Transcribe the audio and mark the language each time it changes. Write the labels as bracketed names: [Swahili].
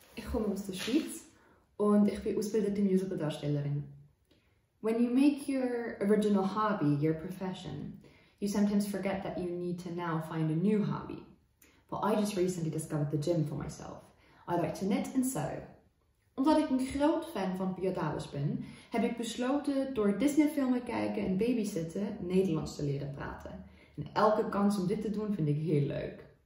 [German] komme aus der Schweiz und ich bin ausgebildete Musicaldarstellerin. [English] When you make your original hobby your profession, you sometimes forget that you need to now find a new hobby. Well, I just recently discovered the gym for myself. I like to knit and sew. [Dutch] Omdat ik een groot fan van Pia Dalis ben, heb ik besloten door Disney-filmen kijken en babysitten Nederlands te leren praten. En elke kans om dit te doen vind ik heel leuk.